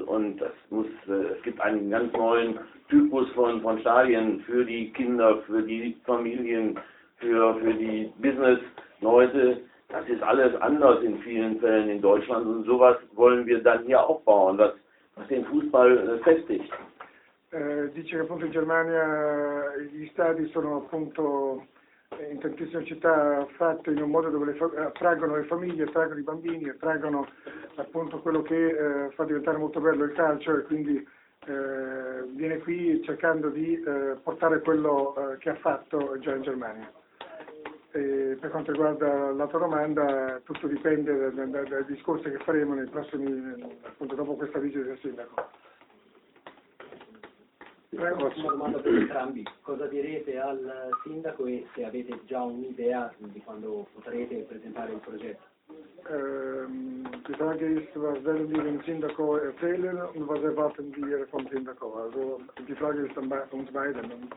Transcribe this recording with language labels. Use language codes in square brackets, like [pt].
[de] Und das muss, es gibt einen ganz neuen Typus von Stadien für die Kinder, für die Familien, für die Business-Leute. Das ist alles anders in vielen Fällen in Deutschland. Und sowas wollen wir dann hier auch bauen, was den Fußball festigt. [it] Dice che appunto in Germania gli stadi sono appunto in tantissime città fatte in un modo dove attraggono le famiglie, attraggono i bambini, attraggono appunto quello che fa diventare molto bello il calcio e quindi viene qui cercando di portare quello che ha fatto già in Germania. E per quanto riguarda la tua domanda, tutto dipende dai discorsi che faremo nei prossimi, appunto dopo questa visita del sindaco. Prego. Una domanda per entrambi, cosa direte al sindaco e se avete già un'idea di quando potrete presentare il progetto? [de] Die Frage ist, was werden wir dem Sindaco erzählen und was erwarten wir vom Sindaco? Also die Frage ist an uns beiden.